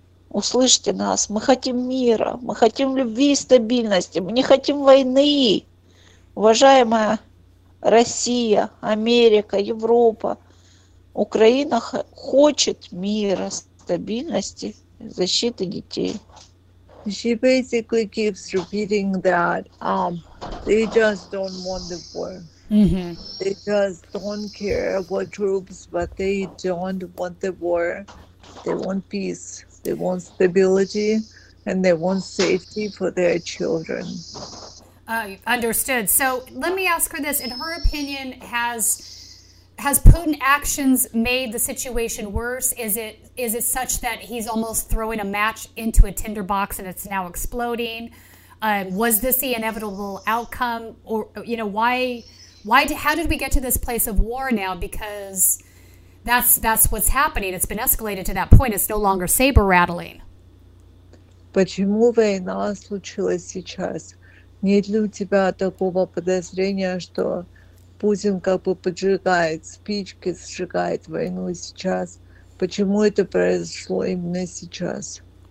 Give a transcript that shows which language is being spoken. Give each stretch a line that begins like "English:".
Russian: Услышьте нас. Мы хотим мира. Мы хотим любви и стабильности. Мы не хотим войны. Уважаемая Россия, Америка, Европа, Украина хочет мира, стабильности, защиты детей.
English: She basically keeps repeating that they just don't want the war. Mm-hmm. They just don't care about troops, but they don't want the war. They want peace, they want stability, and they want safety for their children. Understood. So let me ask her this. In her opinion, has Putin's actions made the situation worse? Is it such that he's almost throwing a match into a tinderbox and it's now exploding? Was this the inevitable outcome? Or, you know, how did we get to this place of war now? Because that's what's happening. It's been escalated to that point. It's no longer saber rattling.
Russian: Почему война случилась сейчас? Нет ли у тебя такого подозрения, что Путин как бы поджигает спички, сжигает войну сейчас? Почему это произошло именно сейчас?